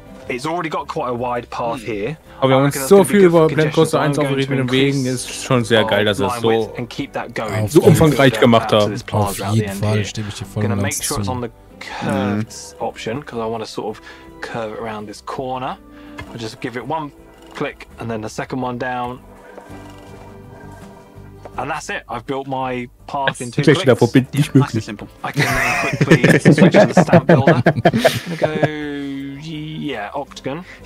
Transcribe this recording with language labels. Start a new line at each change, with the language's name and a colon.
English: It's already got quite a wide path here.
German: Aber wir haben so viel über Planet Coaster 1 aufgeregt mit den Wegen, ist schon sehr geil, dass es so, so umfangreich gemacht hat. Auf jeden Fall stimme ich dir voll und ganz zu.
English: Option, because I want to sort of curve it around this corner. I'll just give it one click and then the second one down. And that's it. I've built my path in two clicks. Nice and simple. I can quickly switch to the stamp builder. I'm going to go, yeah, octagon.